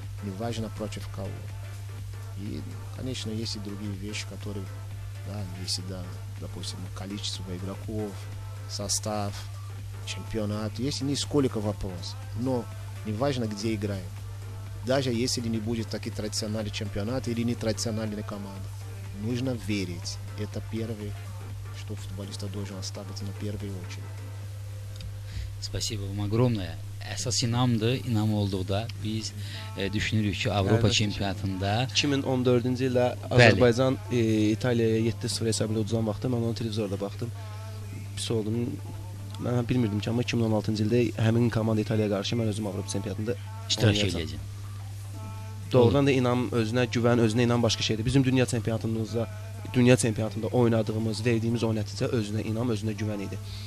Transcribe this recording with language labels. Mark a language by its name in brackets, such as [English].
[Russian] Не важно против кого. И, конечно, есть и другие вещи, которые, да, если, да, допустим, количество игроков, состав, чемпионат, есть нисколько вопросов. Но не важно, где играем. даже если не будет такие традиционные чемпионаты или нетрадиционные команды, нужно верить. Это первое, что футболиста должен оставить на первую очередь. Спасибо вам огромное. [Azerbaijani] Esas inamdı, inam olduğu da biz düşünürük ki Avropa evet, çempionatında 2014-cü ildə Azərbaycan İtaliyaya 7-0 hesabı ilə uduzan vaxtı mən onu televizorda baxdım. Pis oldum. Mən bilmirdim ki, amma 2016-cı ildə həmin komanda İtaliyaya qarşı mən özüm Avropa çempionatında iştirak edəcəm. Doğrudan da inam özünə, güvən özünə inam başqa şeydir. Bizim dünya çempionatımızda, dünya çempionatında oynadığımız, verdiyimiz o nəticə özünə inam, özünə güvən idi.